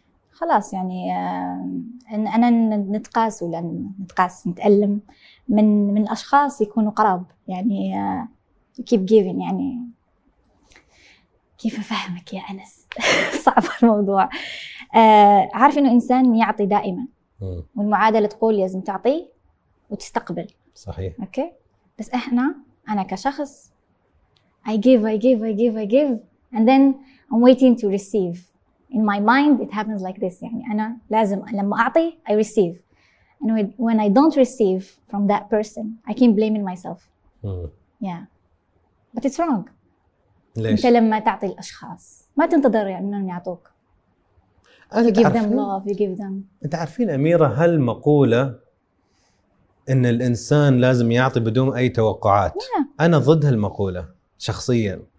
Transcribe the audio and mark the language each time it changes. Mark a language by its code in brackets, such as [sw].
[ar] خلاص يعني أنا نتقاس ولا نتقاس نتألم من أشخاص يكونوا قراب، يعني [en] keep giving. [ar] يعني كيف أفهمك يا أنس؟ صعب الموضوع. عارف إنه إنسان يعطي دائما، والمعادلة تقول لازم تعطي وتستقبل. صحيح. أوكي. بس إحنا أنا كشخص [en] I give, and then I'm waiting to receive. In my mind, it happens like this. [ar] يعني أنا لازم لما أعطي, [en] I receive. And when I don't receive from that person, I keep blaming myself. Mm. Yeah. But it's wrong. [ar] ليش؟ أنت لما تعطي الأشخاص, ما تنتظر أنهم يعطوك. [en] You give them love, you give them. [ar] أنت عارفين أميرة, هل مقولة أن الإنسان لازم يعطي بدون أي توقعات؟ [en] yeah. [ar] أنا ضد هالمقولة شخصياً.